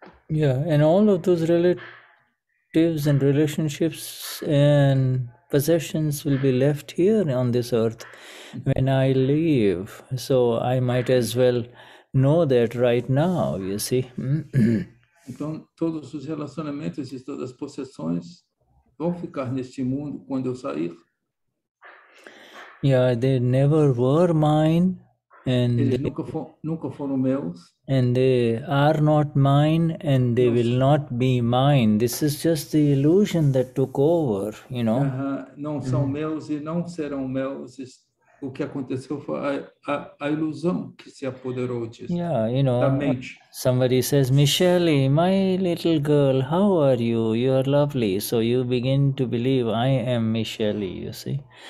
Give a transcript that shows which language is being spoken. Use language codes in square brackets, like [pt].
[en] Yeah, and all of those relatives and relationships and possessions will be left here on this earth when I leave. So I might as well know that right now, you see. [pt] Então, todos os relacionamentos e todas as possessões vão ficar neste mundo quando eu sair? [en] Yeah, they never were mine. And [pt] eles nunca foram meus. [en] And they are not mine, and they will not be mine. This is just the illusion that took over, you know. [pt] Não são meus e não serão meus. O que aconteceu foi a ilusão que se apoderou disso. [en] Yeah, you know, somebody says, Michele, my little girl, how are you? You are lovely. So you begin to believe I am Michele, you see.